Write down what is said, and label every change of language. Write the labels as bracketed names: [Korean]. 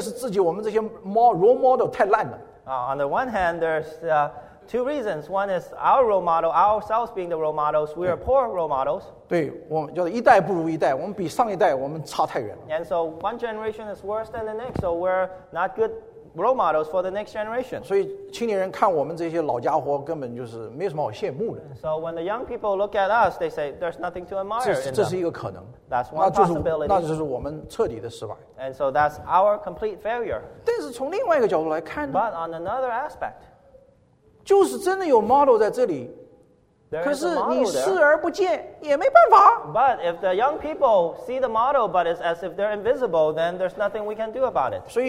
[Chinese] 这个原因有两个，一个是自己我们这些more role model 太烂了。 [English] On the one hand, there's two reasons. One is our role model, ourselves being the role models. We are poor role models. [Chinese] 对，我们就是一代不如一代，我们比上一代我们差太远了。 [English] And so one generation is worse than the next. So we're not good role models for the next generation. [Chinese] 所以青年人看我们这些老家伙，根本就是没什么好羡慕的。 [English] So when the young people look at us, they say there's nothing to admire. [Chinese] 这是一个可能。 [English] That's one possibility. [Chinese] 那就是我们彻底的失败。 [English] And so that's our complete failure. [Chinese] 但是从另外一个角度来看呢？ [English] But on another aspect. [Chinese] 就是真的有 model 在这里， [English] there [Chinese] 可是你视而不见也没办法。 [English] But if the young people see the model, but it's as if they're invisible, then there's nothing we can do about it.